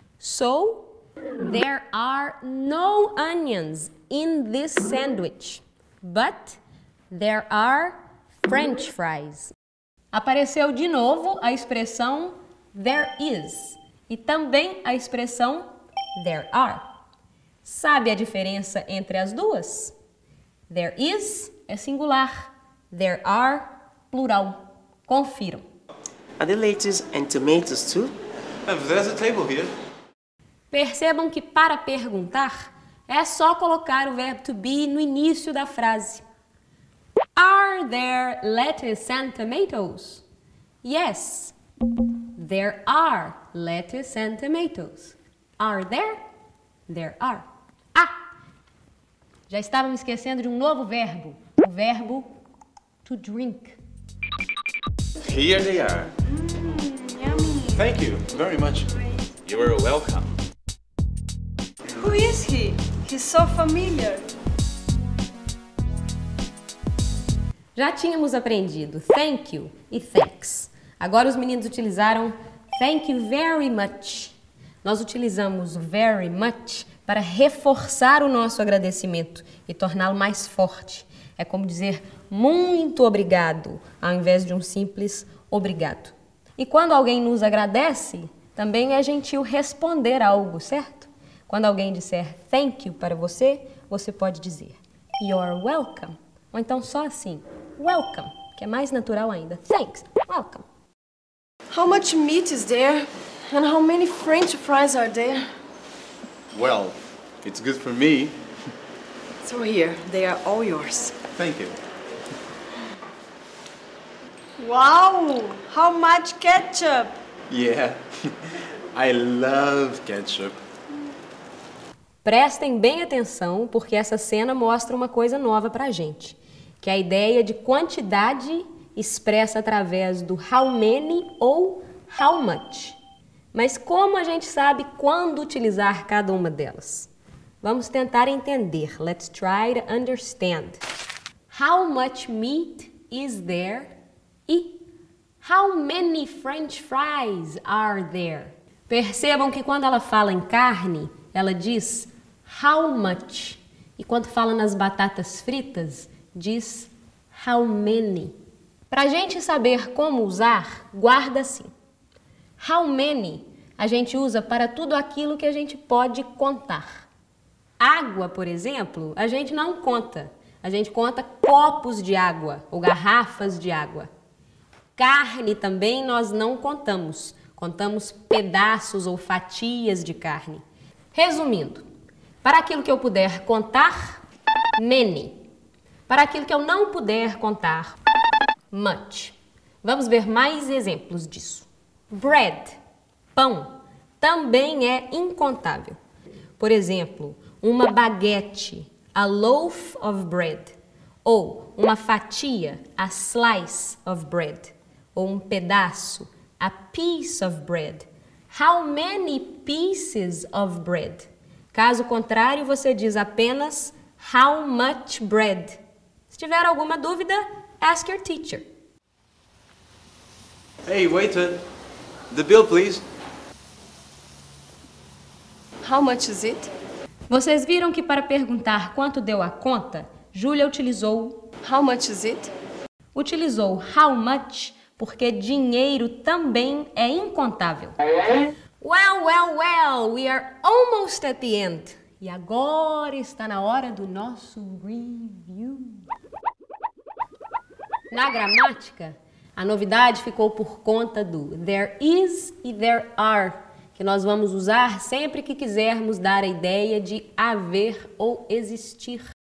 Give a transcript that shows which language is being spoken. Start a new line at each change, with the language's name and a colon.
English: So, there are no onions in this sandwich. But, there are french fries.
Portuguese: Apareceu de novo a expressão there is. E também a expressão there are. Sabe a diferença entre as duas? There is é singular. There are, plural. Confiro.
English: Are there lettuces and tomatoes too? There's a table here.
Portuguese: Percebam que para perguntar, é só colocar o verbo to be no início da frase.
English: Are there lettuce and tomatoes? Yes. There are lettuce and tomatoes. Are there? There are. Ah!
Portuguese: Já estava me esquecendo de um novo verbo. O verbo to drink.
English: Here they are. Yummy. Thank you very much. You are welcome. Who is he? He's so familiar.
Portuguese: Já tínhamos aprendido thank you e thanks. Agora os meninos utilizaram
English: thank you very much.
Portuguese: Nós utilizamos o very much para reforçar o nosso agradecimento e torná-lo mais forte. É como dizer muito obrigado, ao invés de um simples obrigado. E quando alguém nos agradece, também é gentil responder algo, certo? Quando alguém disser thank you para você, você pode dizer
English: you're welcome.
Portuguese: Ou então só assim, welcome, que é mais natural ainda.
English: Thanks, welcome. How much meat is there? And how many French fries are there? Well, it's good for me. So here, they are all yours. Thank you. Wow, how much ketchup? Yeah, I love ketchup.
Portuguese: Prestem bem atenção, porque essa cena mostra uma coisa nova pra gente, que é a ideia de quantidade expressa através do how many ou how much. Mas como a gente sabe quando utilizar cada uma delas? Vamos tentar entender.
English: Let's try to understand. How much meat is there?
Portuguese: E
English: how many French fries are there?
Portuguese: Percebam que quando ela fala em carne, ela diz how much. E quando fala nas batatas fritas, diz how many. Para a gente saber como usar, guarda assim. How many a gente usa para tudo aquilo que a gente pode contar. Água, por exemplo, a gente não conta. A gente conta copos de água ou garrafas de água. Carne também nós não contamos. Contamos pedaços ou fatias de carne. Resumindo, para aquilo que eu puder contar, many. Para aquilo que eu não puder contar, much. Vamos ver mais exemplos disso. Bread, pão, também é incontável. Por exemplo, uma baguete,
English: a loaf of bread.
Portuguese: Ou uma fatia,
English: a slice of bread.
Portuguese: Ou um pedaço,
English: a piece of bread. How many pieces of bread?
Portuguese: Caso contrário, você diz apenas
English: how much bread.
Portuguese: Se tiver alguma dúvida,
English: ask your teacher. Hey, waiter. The bill, please. How much is it?
Portuguese: Vocês viram que para perguntar quanto deu a conta, Julia utilizou
English: how much is it?
Portuguese: Utilizou how much porque dinheiro também é incontável.
English: Well, well, well, we are almost at the end.
Portuguese: E agora está na hora do nosso review. Na gramática, a novidade ficou por conta do there is e there are, que nós vamos usar sempre que quisermos dar a ideia de haver ou existir.